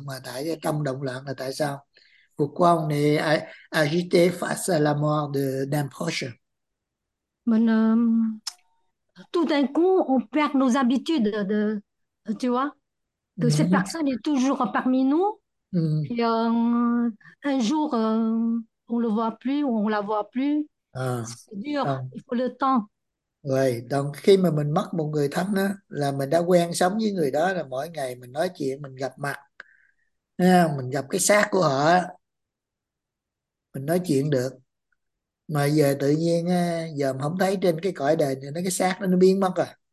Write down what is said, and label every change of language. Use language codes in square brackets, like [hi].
[vi] Mà tại trong động loạn là tại sao [fr] pourquoi on est agité face à la mort de d'un proche? Mình tout d'un coup on perd nos habitudes de tu vois, que cette personne est toujours parmi nous et un jour on le voit plus ou on la voit plus, c'est dur, [vi] Không. [fr] il faut le temps. [vi] Rồi, donc khi mà mình mất một người thân đó, là mình đã quen sống với người đó, là mỗi ngày mình nói chuyện, mình gặp mặt, mình gặp cái xác của họ, mình nói chuyện được. Mà giờ tự nhiên giờ mình không thấy trên cái cõi đời này, nó cái xác nó biến mất rồi.